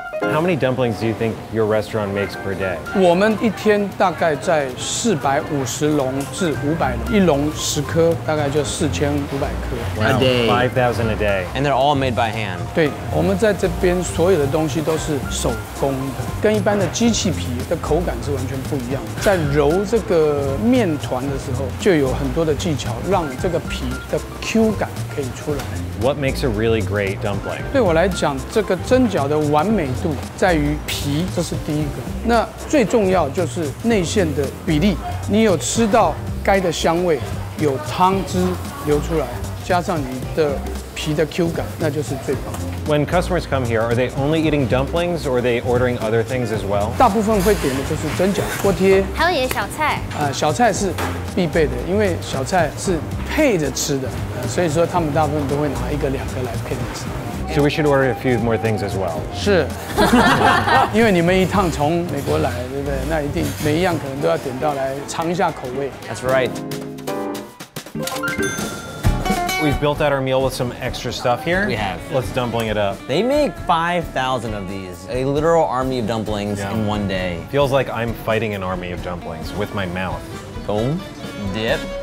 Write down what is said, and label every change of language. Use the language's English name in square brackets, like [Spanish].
[English] How many dumplings do you think your restaurant makes per day? [Chinese] 我们一天大概在450笼至500笼，一笼10颗，大概就4500颗。 [English] A day. 5,000 a day. And they're all made by hand. [Chinese] 对，我们在这边所有的东西都是手工的，跟一般的机器皮的口感是完全不一样的。在揉这个面团的时候，就有很多的技巧，让这个皮的 Q 感可以出来。 [English] What makes a really great dumpling? [Chinese] 对我来讲，这个蒸饺的完美度在于皮，这是第一个。那最重要就是内馅的比例，你有吃到该的香味，有汤汁流出来，加上你的皮的 Q 感，那就是最棒。 [English] When customers come here, are they only eating dumplings or are they ordering other things as well? [Chinese] 大部分会点的就是蒸饺、锅贴，还有一些小菜。小菜是必备的，因为小菜是配着吃的，所以说他们大部分都会拿一个、两个来配着吃。 [English] So we should order a few more things as well. [Chinese] 是，因为你们一趟从美国来，对不对？那一定每一样可能都要点到来尝一下口味。 [English] That's right. We've built out our meal with some extra stuff here. We have. Let's dumpling it up. They make 5,000 of these, a literal army of dumplings in one day. Feels like I'm fighting an army of dumplings with my mouth. Boom. Dip.